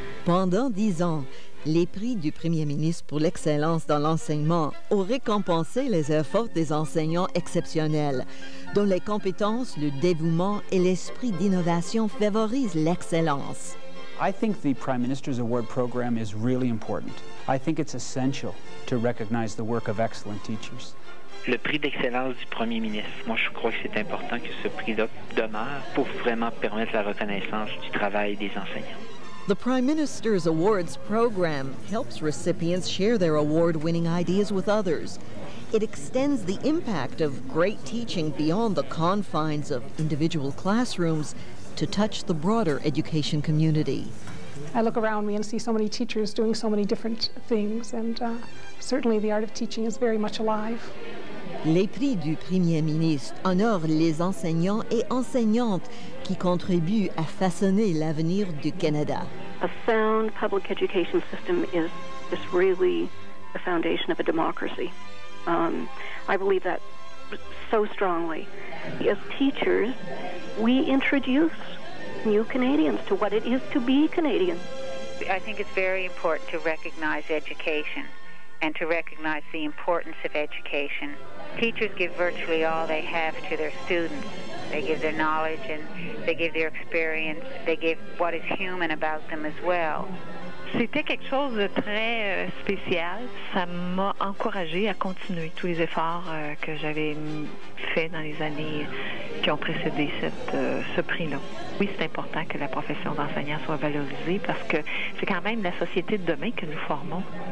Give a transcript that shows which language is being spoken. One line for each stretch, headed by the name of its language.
French: Pendant 10 ans, les prix du Premier ministre pour l'excellence dans l'enseignement ont récompensé les efforts des enseignants exceptionnels, dont les compétences, le dévouement et l'esprit d'innovation favorisent l'excellence.
English: I think the Prime Minister's Award program is really important. I think it's essential to recognize the work of excellent teachers.
French: Le prix d'excellence du Premier ministre, moi je crois que c'est important que ce prix-là demeure pour vraiment permettre la reconnaissance du travail des enseignants.
English: The Prime Minister's Awards program helps recipients share their award-winning ideas with others. It extends the impact of great teaching beyond the confines of individual classrooms to touch the broader education community. I look around me and see so many teachers doing so many different things, and certainly the art of teaching is very much alive.
French: Les prix du Premier ministre honorent les enseignants et enseignantes qui contribuent à façonner l'avenir du Canada.
English: A sound public education system is really the foundation of a democracy. I believe that so strongly. As teachers, we introduce new Canadians to what it is to be Canadian. I think it's very important to recognize education and to recognize the importance of education. Teachers give virtually all they have to their students. They give their knowledge and they give their experience. They give what is human about them as well.
French: C'était quelque chose de très spécial. Ça m'a encouragée à continuer tous les efforts que j'avais fait dans les années qui ont précédé ce prix-là. Oui, c'est important que la profession d'enseignant soit valorisée parce que c'est quand même la société de demain que nous formons.